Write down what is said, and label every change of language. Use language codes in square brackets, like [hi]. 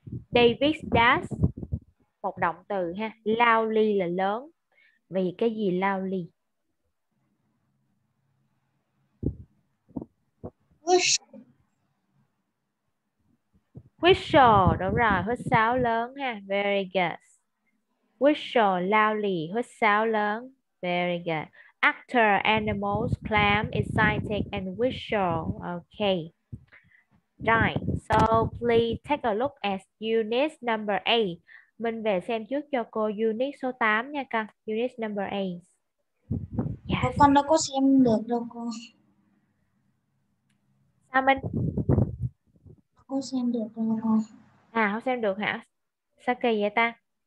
[en] David does, [vi] một động từ ha, loudly là lớn. Vì cái gì loudly? [en] Whistle. [vi] Whistle, đúng rồi, hút sáo lớn ha, [en] very good. Whistle, loudly, [vi] hút sáo lớn, [en] very good. Actor, animals, clam, excited, and whistle, okay. Right, so please take a look at unit number 8. [vi] Mình về xem trước cho cô unit số 8 nha con. [en] Unit number 8. Yes. [vi] Con đâu có xem được đâu cô. Sao mình? Có xem được đâu cô. À, không xem được hả? Sao kỳ vậy ta?